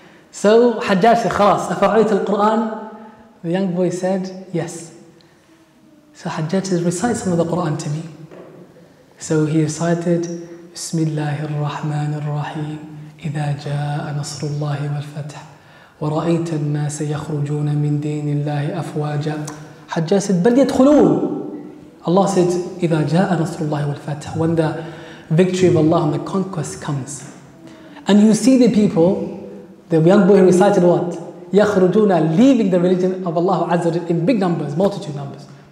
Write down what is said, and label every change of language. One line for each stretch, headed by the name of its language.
English: So Hajjaj said,
Arabic: خلاص, أفعلت القرآن?
English: The young boy said, yes. So Hajjaj said, recite some of the Quran to me. So he recited,
Arabic: بسم الله الرحمن الرحيم إذا جاء نصر الله والفتح ورأيت الناس يخرجون من دين الله أفواجا.
English: Hajjaj said,
Arabic: بل يدخلون.
English: Allah said,
Arabic: إذا جاء نصر الله والفتح,
English: when the victory of Allah and the conquest comes, and you see the people, the young boy recited what? يَخْرُجُونَ, leaving the religion of Allah Azza wa Jalla in big numbers, multitude numbers.